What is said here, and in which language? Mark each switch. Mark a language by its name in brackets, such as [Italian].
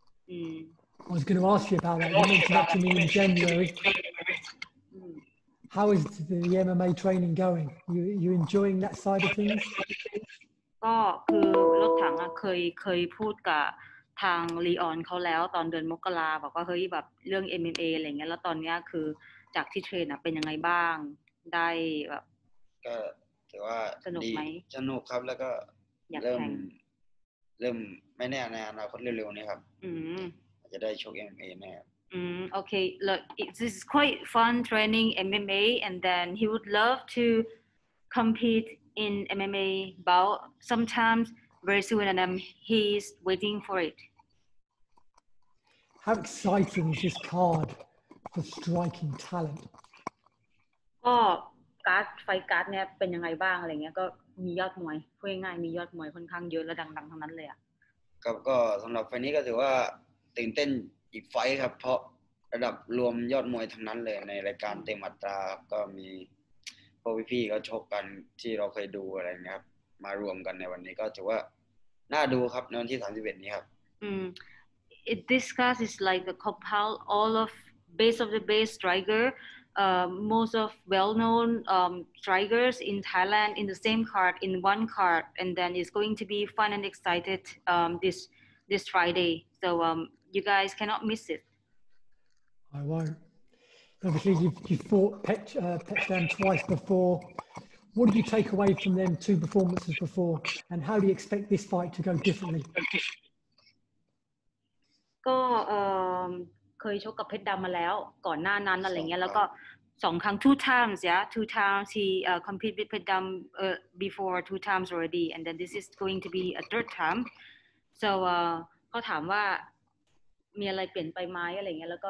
[English] I was going to ask you about that you mentioned that to me in January How is the MMA training going? You enjoying that side of things? [Thai] ก็คือรถถังอ่ะเคยพูดกับทางลีออนเขาแล้วตอนเดือนมกราบอกว่าเฮ้ยแบบเรื่อง MMA อะไรเงี้ยแล้วตอนเนี้ยคือจากที่เทรนอ่ะเป็นยังไงบ้างได้แบบ ก็ถือว่า สนุกไหม สนุกครับแล้วก็เริ่มไม่แน่ในอนาคตเร็วๆนี้ครับจะได้โชค MMA แน่ [English] Okay, look, this is quite fun training MMA, and then he would love to compete in MMA bout sometimes very soon, and he's waiting for it. How exciting is this card for striking talent? [Thai] ก็การ์ดไฟการ์ดเนี่ยเป็นยังไงบ้างอะไรเงี้ยก็มียอดมวยพูดง่ายๆมียอดมวยค่อนข้างเยอะและดังๆทั้งนั้นเลยอ่ ะ ก็สำหรับไฟนี้ก็ถือว่าตื่นเต้นอีกไฟครับเพราะระดับรวมยอดมวยทั้งนั้นเลยในรายการเต็มอัตราก็มีพวกพี่ๆก็ชกกันที่เราเคยดูอะไรเงี้ยครับมารวมกันในวันนี้ก็ถือว่าน่าดูครับในวันที่31นี้ครับ [English] This class is like a compile all of base of the base striker most of well known strikers in Thailand in the same card in one card and then it's going to be fun and excited this Friday so you guys cannot miss it. I won't. Obviously, you fought Petchan twice before. What did you take away from them two performances before, and how do you expect this fight to go differently? [Thai] ก็เคยชกกับเพชรดำมาแล้วก่อนหน้านั้นอะไรเงี้ยแล้วก็สองครั้ง [English] two times he compete with เพชรดำ before two times already and then this is going to be a third time. [Thai] So เขาถามว่ามีอะไรเปลี่ยนไปไหมอะไรเงี้ยแล้วก